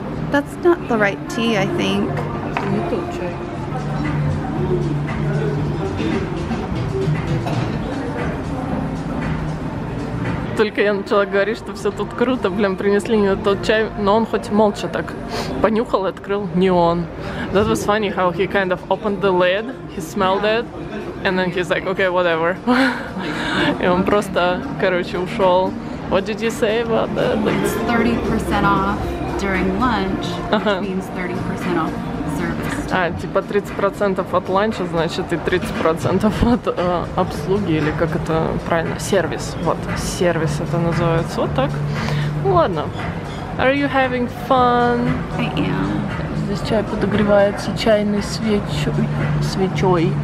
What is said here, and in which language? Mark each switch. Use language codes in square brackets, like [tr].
[en] That's not the right tea, I think. [ru] Только я начала говорить, что все тут круто, блин, принесли мне тот чай, но он хоть молча так понюхал, открыл, не он. [en] That was funny how he kind of opened the lid, he smelled it, and then he's like, okay, whatever. [ru] И он просто, короче, ушел. [en] What did you say about that? It's 30% off during lunch, which means 30% off service. [ru] А, типа 30% от ланча, значит, и 30% от обслуги, или как это правильно? Сервис. Вот, сервис это называется. Вот так. Ну, ладно. [en] Are you having fun? I am. [ru] Здесь чай подогревается чайной свечой.